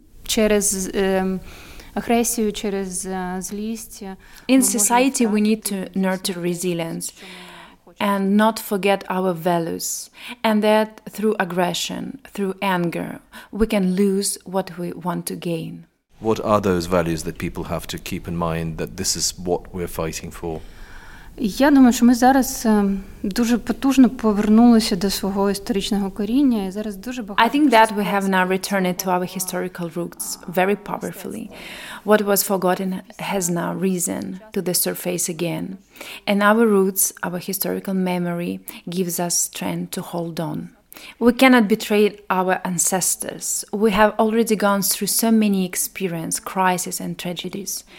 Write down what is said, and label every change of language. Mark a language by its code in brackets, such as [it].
[en] In society, we need to nurture resilience and not forget our values, and that through aggression, through anger, we can lose what we want to gain. What are those values that people have to keep in mind, that this is what we're fighting for? [uk] Я думаю, що ми зараз дуже потужно повернулися до свого історичного коріння, і зараз дуже багато. [en] I think that we have now returned to our historical roots very powerfully. What was forgotten has now risen to the surface again. And our roots, our historical memory gives us strength to hold on. We cannot betray our ancestors. We have already gone through so many experiences, crises and tragedies.